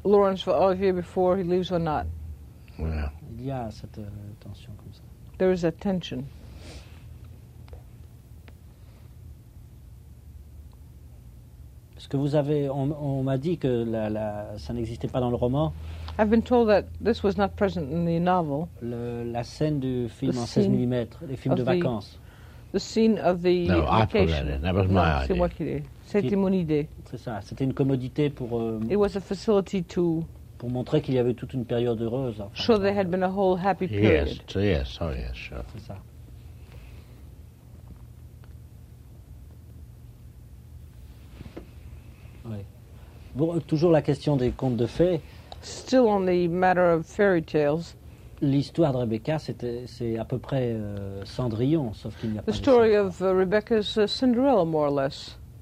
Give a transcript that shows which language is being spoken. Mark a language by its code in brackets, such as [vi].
[en] Laurence Olivier before he leaves or not? Yeah. [fr] Il y a cette tension comme ça. [en] There is a tension. [fr] Est-ce que vous avez on m'a dit que la ça n'existait pas dans le roman. [en] I've been told that this was not present in the novel. [fr] La scène du film en 16 mm, les films de vacances. [en] The scene of the vacation. No, location. I put that in. That was my idea. [fr] C'est moi qui l'ai. C'était mon idée. C'est ça. C'était une commodité pour. [en] It was a facility to. [fr] Pour montrer qu'il y avait toute une période heureuse. [en] Enfin, sure, there had been a whole happy period. Yes, yes, oh yes, sure. [fr] C'est ça. Oui. Bon, toujours la question des contes de fées. [en] Still on the matter of fairy tales. [fr] L'histoire de Rebecca, c'est à peu près Cendrillon, sauf qu'il n'y a [en] the [fr] pas. [en] The story of Rebecca is Cinderella, more or less.